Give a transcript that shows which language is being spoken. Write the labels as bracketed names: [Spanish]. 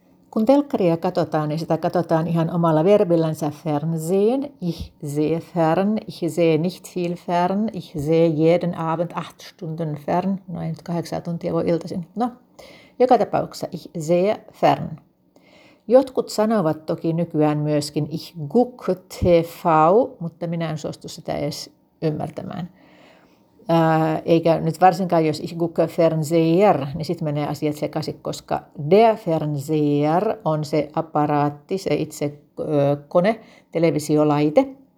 [Finnish] Kun telkkaria katsotaan, niin sitä katsotaan ihan omalla verbillänsä fernsehen. [German] Ich sehe fern, ich sehe nicht viel fern, ich sehe jeden Abend 8 Stunden fern. [Finnish] No ei nyt 8 tuntia voi iltaisin. No, joka tapauksessa [German] ich sehe fern. [Finnish] Jotkut sanovat toki nykyään myöskin [German] ich guck TV, [Finnish] mutta minä en suostu sitä edes ymmärtämään. Eikä nyt varsinkaan, jos [German] ich gucke Fernseher, [Finnish] niin sitten menee asiat sekaisin, koska der Fernseher on se aparaatti, se itse kone, televisiolaite.